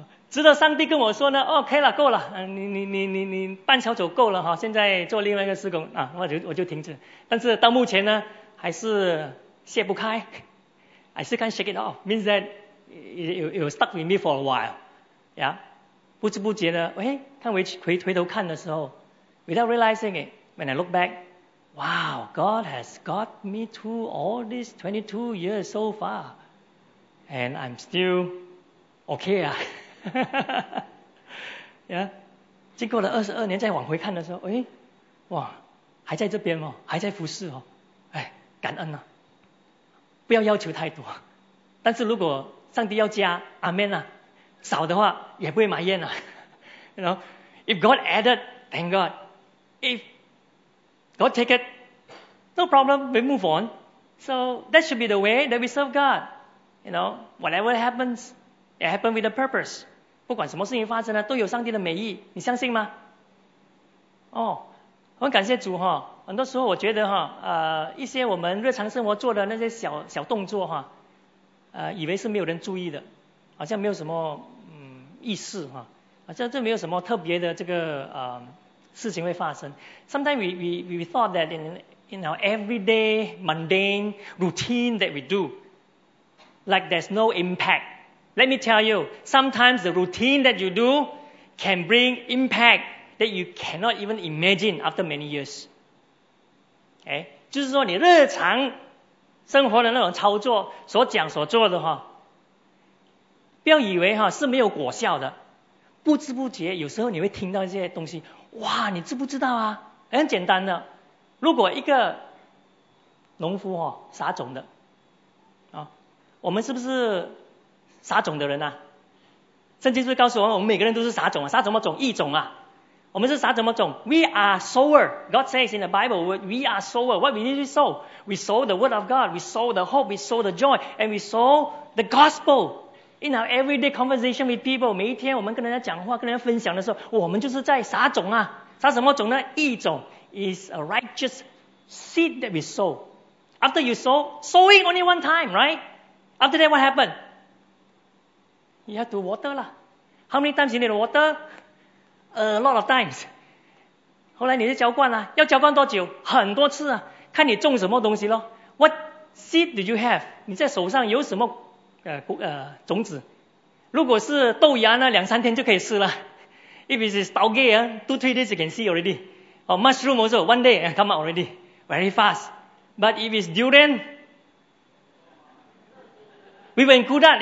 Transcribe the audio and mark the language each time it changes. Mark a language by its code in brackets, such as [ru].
[zh] 直到上帝跟我说呢 ，OK 了，够了，你半条走够了哈，现在做另外一个事工啊，我就停止。但是到目前呢，还是卸不开。 [en] I still can't shake it off. Means that it will stuck with me for a while. Yeah. [zh] 不知不觉的，诶，看回头看的时候 [en] ，without realizing it, when I look back, wow, God has got me through all these 22 years so far, and I'm still okay. Ah. yeah. [zh] 经过了22年再往回看的时候，诶，哇，还在这边哦，还在服侍哦，哎，感恩啊。不要要求太多，但是如果上帝要加，阿门啊，少的话也不会埋怨啊。 [en] You know, if God added, thank God. If God take it, no problem, we move on. So that should be the way that we serve God. You know, whatever happens, it happens with a purpose. [zh] 不管什么事情发生呢，都有上帝的美意，你相信吗？哦，很感谢主哈。很多时候我觉得哈，一些我们日常生活做的那些小小动作哈，以为是没有人注意的，好像没有什么意识哈，好像这没有什么特别的这个事情会发生。 [en] Sometimes we thought that in our everyday mundane routine that we do, like there's no impact. Let me tell you, sometimes the routine that you do can bring impact that you cannot even imagine after many years. [zh] 哎，就是说你日常生活的那种操作所讲所做的哈，不要以为哈是没有果效的，不知不觉有时候你会听到一些东西，哇，你知不知道啊？很简单的，如果一个农夫哈撒种的，啊，我们是不是撒种的人啊？圣经是不是告诉我们，我们每个人都是撒种啊？撒什么种？一种啊？我们是撒怎么种 ？ [en] We are sower. God says in the Bible, we are sower. What we need to sow? We sow the word of God. We sow the hope. We sow the joy. And we sow the gospel. In our everyday conversation with people, [zh] 每一天我们跟人家讲话、跟人家分享的时候，我们就是在撒种啊。撒什么种呢？ [en] 一种 is a righteous seed that we sow. After you sow, sowing only one time, right? After that, what happened? You have to water lah. How many times you need water? A lot of times. [zh] 后来你就浇灌了，要浇灌多久？很多次啊，看你种什么东西咯。 [en] What seed do you have? [zh] 你在手上有什么种子？如果是豆芽呢，两三天就可以吃了。 [en] If it is algae, two, three days you can see already. Or mushroom also, one day and come out already. Very fast. But if it's durian, we will include that.